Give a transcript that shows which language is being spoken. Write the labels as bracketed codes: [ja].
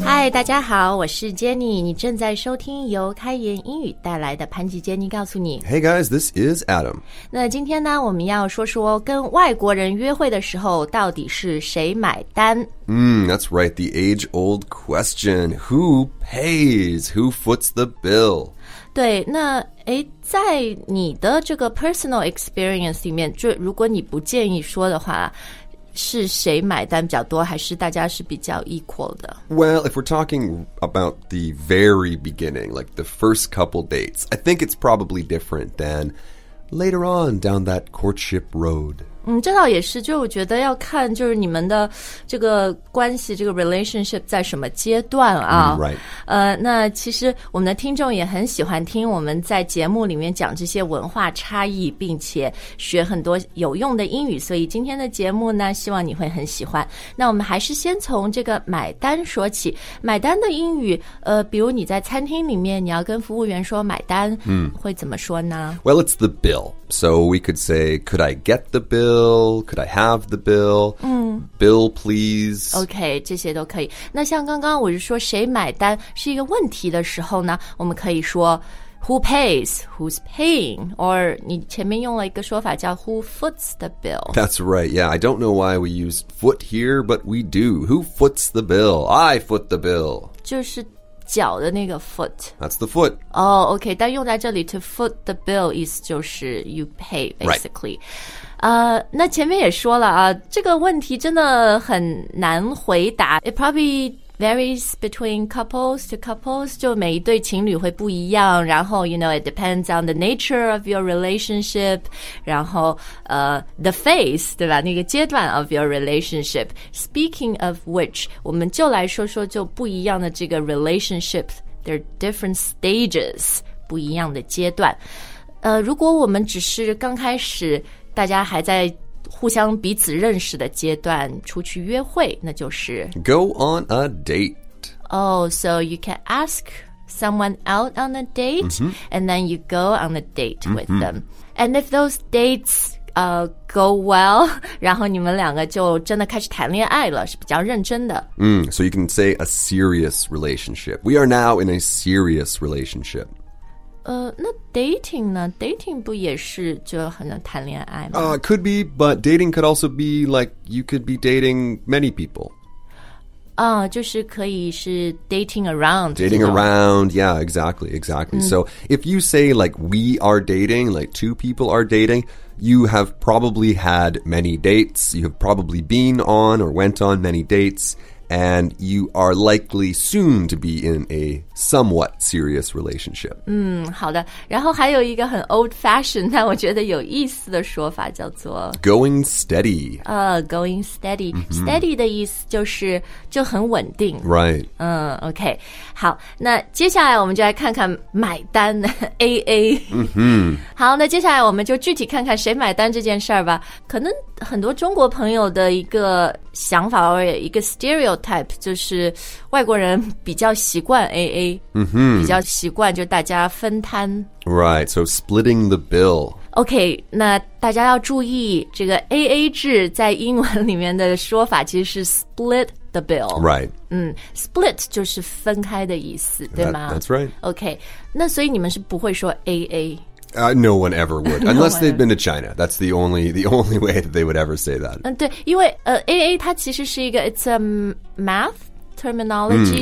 [zh] 大家好，我是 Jenny， 你正在收听由开言英语带来的潘吉 Jenny 告诉你。 [en] Hey guys, this is Adam. [zh] 那今天呢，我们要说说跟外国人约会的时候到底是谁买单。 [en] That's right, the age-old question. Who pays? Who foots the bill? [zh] 对，那在你的这个 personal experience 里面，就如果你不建议说的话，是谁买单比较多，还是大家是比较 equal 的？ [en] Well, if we're talking about the very beginning, like the first couple dates, I think it's probably different than later on down that courtship road. [zh] 这倒也是，就我觉得要看就是你们的这个关系，这个 relationship 在什么阶段啊。 [en] Right. [zh] 那其实我们的听众也很喜欢听我们在节目里面讲这些文化差异，并且学很多有用的英语，所以今天的节目呢，希望你会很喜欢。那我们还是先从这个买单说起。买单的英语，比如你在餐厅里面，你要跟服务员说买单，会怎么说呢？ [en] Well, it's the bill. So we could say, could I get the bill? Could I have the bill? Bill, please. [zh] Okay, 这些都可以。那像刚刚我就说谁买单是一个问题的时候呢，我们可以说 [en] who pays, who's paying, or [zh] 你前面用了一个说法叫 [en] who foots the bill. That's right, yeah. I don't know why we use foot here, but we do. Who foots the bill? I foot the bill. [zh] 就是脚的那个 foot. [en] That's the foot. Oh, okay. [zh] 但用在这里 [en] to foot the bill [zh] 意思就是 [en] you pay, basically. Right. [zh] 那前面也说了啊，这个问题真的很难回答。 [en] It probably varies between couples to couples, [zh] 就每一对情侣会不一样。 [en] 然后 you know, it depends on the nature of your relationship, 然后the phase, [zh] 对吧，那个阶段 [en] of your relationship. Speaking of which, [zh] 我们就来说说就不一样的这个 relationship, [en] there are different stages, [zh] 不一样的阶段。如果我们只是刚开始大家还在互相彼此认识的阶段出去约会，那就是 [en] go on a date. Oh, so you can ask someone out on a date, and then you go on a date with them. And if those dates, go well, [zh] 然后你们两个就真的开始谈恋爱了，是比较认真的。 [en] So you can say a serious relationship. We are now in a serious relationship. [zh] 那 dating 呢 ？Dating 不也是就好像谈恋爱吗？ [en] Could be, but dating could also be like you could be dating many people. [zh] 就是可以是 [en] dating around. Dating around, yeah, exactly, exactly. So if you say like we are dating, like two people are dating, you have probably had many dates. You have probably been on or went on many dates. And you are likely soon to be in a somewhat serious relationship. [zh] 好的。然后还有一个很 old-fashioned, 但我觉得有意思的说法叫做 [en] Going steady. Going steady.、 [zh] Steady 的意思就是就很稳定。 [en] Right. OK. [zh] 好，那接下来我们就来看看买单 AA.、好，那接下来我们就具体看看谁买单这件事吧。可能很多中国朋友的一个想法或者一个 stereotype 就是外国人比较习惯 AA、比较习惯就大家分摊 [en] Right, so splitting the bill [zh] OK, 那大家要注意这个 AA 制在英文里面的说法其实是 split the bill [en] Right、 [zh] Split 就是分开的意思对吗 [en] That's right [zh] OK, 那所以你们是不会说 AA [en] No one ever would, unless they'd been to China. That's the only way that they would ever say that. [zh] 对，因为AA 它其实是一个 [en] it's a math terminology,